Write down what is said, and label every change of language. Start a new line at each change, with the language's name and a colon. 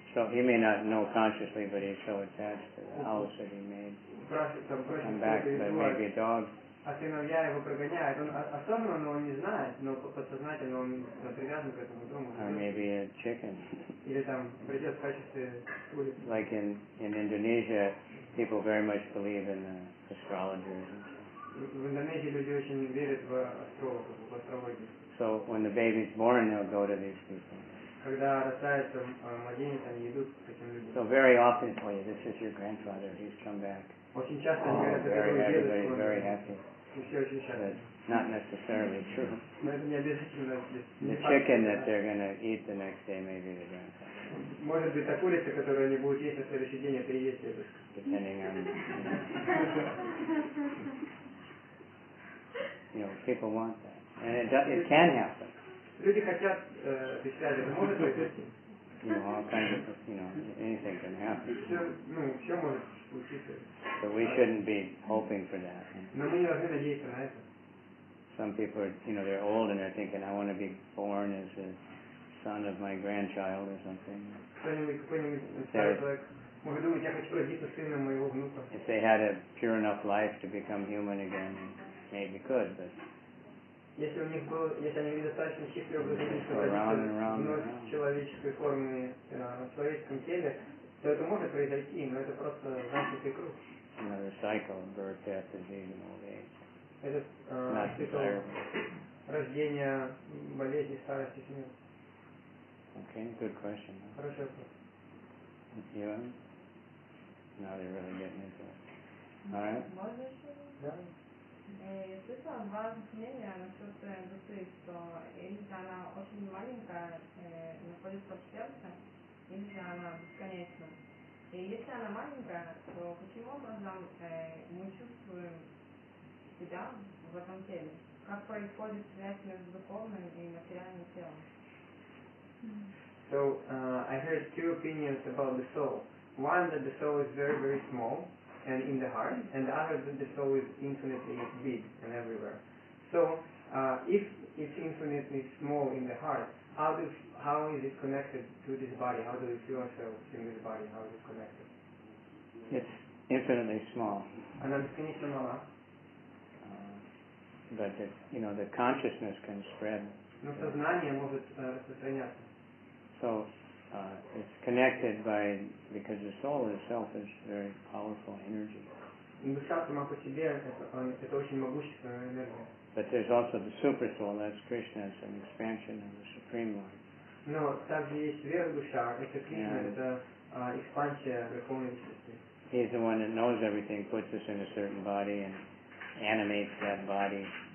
English: He may not know consciously, but he's so attached to the house that he made. Come back, but maybe a dog.
Russian: А сыновья его прогоняют. Он особенно, но он не знает, но подсознательно он привязан к этому дому.
English: Or maybe a chicken.
Russian: Или там придет в качестве курицы.
English: Like in Indonesia, people very much believe in the astrologers.
Russian: В Индонезии люди очень верят в астрологов, в астрологию.
English: So when the baby's born, they'll go to these people.
Russian: Когда рождается младенец, они идут к этим людям.
English: So very often for you, this is your grandfather, he's come back.
Russian: Очень часто oh, говорят,
English: very
Russian: это
English: happy, very, very happy.
Russian: И все очень счастливы.
English: But not necessarily true.
Russian: Но это не обязательно.
English: The chicken that they're going to eat the next day may be the grandfather.
Russian: Может быть, та курица, которую они будут есть на следующий день, это и есть дедушка.
English: Depending on... You know, people want that. And it can happen.
Russian: Люди хотят этой связи. Это может быть.
English: You know, all kinds of, you know, anything can happen.
Russian: Все, ну, все может случиться.
English: But we shouldn't be hoping for that.
Russian: Но мы не должны надеяться на это.
English: Some people are, you know, they're old and they're thinking, I want to be born as the son of my grandchild or something.
Russian: Какой-нибудь старый человек. Может думать, я хочу родиться сыном моего внука.
English: If they had a pure enough life to become human again, maybe could, but...
Russian: Если у них было, если они недостаточно чистые образования, вновь человеческой формы в человеческом теле, то это может произойти, но это просто замкнутый круг.
English: Another cycle of birth, death, disease, and old age.
Russian: Это цикл рождения, болезни, старости, смерти.
English: Okay, good question.
Russian: Хороший вопрос.
English: You? Now they're really getting into it. All right.
Russian: Можно еще? Да. Я слышала два мнения насчет души, что или она очень маленькая, находится в сердце, или она бесконечна. И если она маленькая, то каким образом мы чувствуем себя в этом теле? Как происходит связь между духовным и материальным телом?
English: So, I heard two opinions about the soul. One, that the soul is very, very small and in the heart, and the other, that the soul is infinitely big and everywhere. So, if it's infinitely small in the heart, how is it connected to this body? How do you feel ourselves in this body? How is it connected? It's infinitely small. And then finish the mala. But the, you know, the consciousness can spread.
Russian: Но сознание может распространяться.
English: So, it's connected by, because the soul itself is very powerful energy.
Russian: Душа сама по себе это очень могущественная энергия.
English: But there's also the super soul, that's Krishna, it's an expansion of the Supreme Lord.
Russian: No, также есть вера душа, это Кришна, это экспансия Верховной Личности.
English: He's the one that knows everything, puts us in a certain body and animates that body.